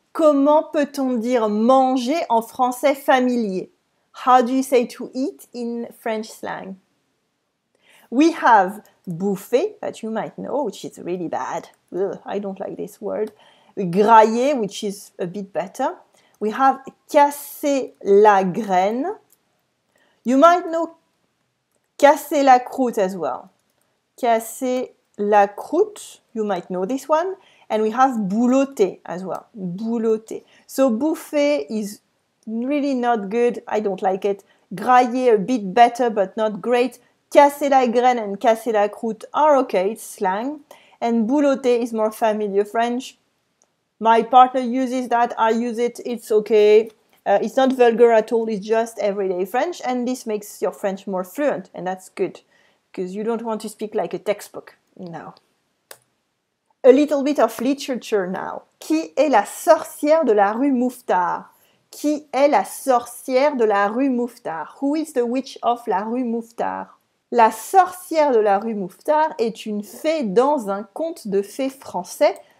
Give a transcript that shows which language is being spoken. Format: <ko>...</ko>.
<fr>Comment peut-on dire manger en français familier?</fr> <en>How do you say to eat in French slang? We have bouffer, that you might know, which is really bad. Ugh, I don't like this word. Grailler, which is a bit better. We have casser la graine. You might know casser la croûte as well. Casser la croûte, you might know this one. And we have boulotter as well. Boulotter. So bouffer is really not good. I don't like it. Grailler a bit better, but not great. Casser la graine and casser la croûte are okay. It's slang. And boulotter is more familiar French. My partner uses that. I use it. It's okay. It's not vulgar at all. It's just everyday French. And this makes your French more fluent. And that's good. Because you don't want to speak like a textbook. No. A little bit of literature now.</en> <fr>Qui est la sorcière de la rue Mouffetard? Qui est la sorcière de la rue Mouffetard?</fr> <en>Who is the witch of la rue Mouffetard?</en> <fr>La sorcière de la rue Mouffetard est une fée dans un conte de fées français.</fr>